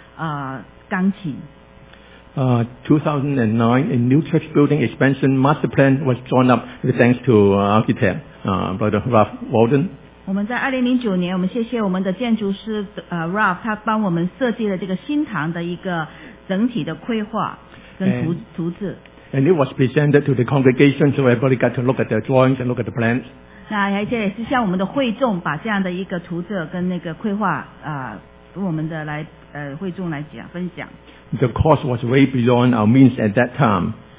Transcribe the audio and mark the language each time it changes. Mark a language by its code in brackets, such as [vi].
[en] 2009, a new church building expansion master plan was drawn up thanks to architect Brother Ralph Walden. [zh] 我们在2009年，我们谢谢我们的建筑师 Ralph， 他帮我们设计了这个新堂的一个整体的规划跟图纸。 [en] And it was presented to the congregation, so everybody got to look at the drawings and look at the plans. [zh] 那而且也是向我们的会众把这样的一个图纸跟那个规划，我们的来。 [en] The cost was way beyond our means at that time.